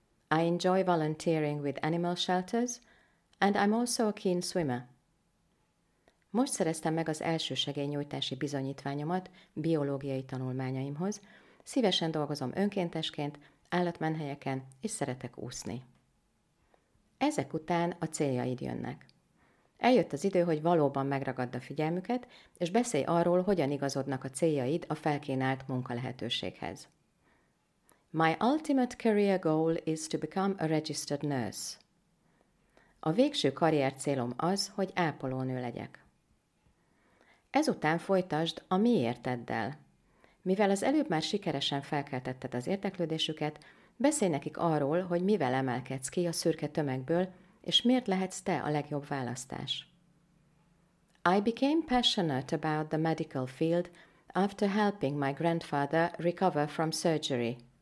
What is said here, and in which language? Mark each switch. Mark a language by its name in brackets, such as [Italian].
[English] I enjoy volunteering with animal shelters, and I'm also a keen swimmer. [Hungarian] Most szereztem meg az első segélynyújtási bizonyítványomat biológiai tanulmányaimhoz, szívesen dolgozom önkéntesként, állatmenhelyeken, és szeretek úszni. Ezek után a céljaid jönnek. Eljött az idő, hogy valóban megragadd a figyelmüket, és beszélj arról, hogyan igazodnak a céljaid a felkínált munkalehetőséghez. [English] My ultimate career goal is to become a registered nurse. [Hungarian] A végső karrier célom az, hogy ápolónő legyek. Ezután folytasd a miérteddel. Mivel az előbb már sikeresen felkeltetted az érdeklődésüket, beszélj nekik arról, hogy mivel emelkedsz ki a szürke tömegből, és miért lehetsz te a legjobb választás. [English] I became passionate about the medical field after helping my grandfather recover from surgery.